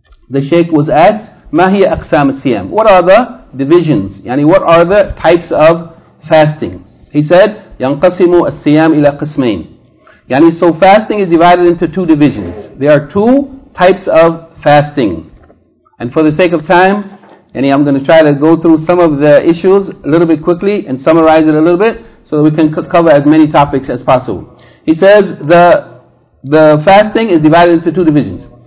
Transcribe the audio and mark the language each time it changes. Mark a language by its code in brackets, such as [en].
[en] The Shaykh was asked, [ar] ما هي أقسام السيام? [en] What are the divisions? يعني what are the types of fasting? He said, [ar] ينقسم السيام إلى قسمين. [en] يعني so fasting is divided into two divisions. There are two types of fasting. And for the sake of time, I'm going to try to go through some of the issues a little bit quickly and summarize it a little bit so that we can cover as many topics as possible. He says the fasting is divided into two divisions.